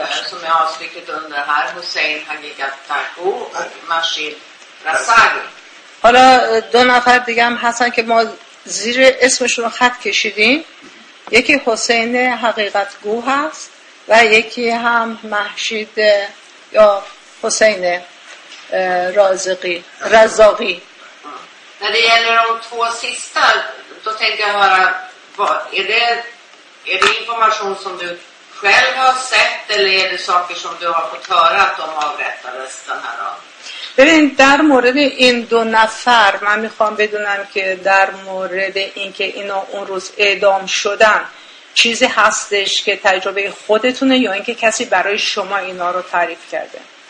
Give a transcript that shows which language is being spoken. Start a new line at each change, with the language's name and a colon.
Swedish: som jag har strykit under här. Hussein Hagigat Tarko och Mashid Razaghi.
Persian: حالا دو نفر دیگه هم هستن که ما زیر اسمشون رو خط کشیدیم. یکی حسین حقیقت گو هست و یکی هم محشید یا حسین رازقی رزاقی.
Swedish: När det gäller de två sista, då tänkte jag höra, är det information som du själv har sett eller är det saker som du har fått höra att de avrättades den här dagen?
Persian: ببین در مورد این دو نفر من میخوام بدونم که در مورد اینکه اینا اون روز اعدام شدن چیزی هستش که تجربه خودتونه یا اینکه کسی برای شما اینا رو تعریف کرده.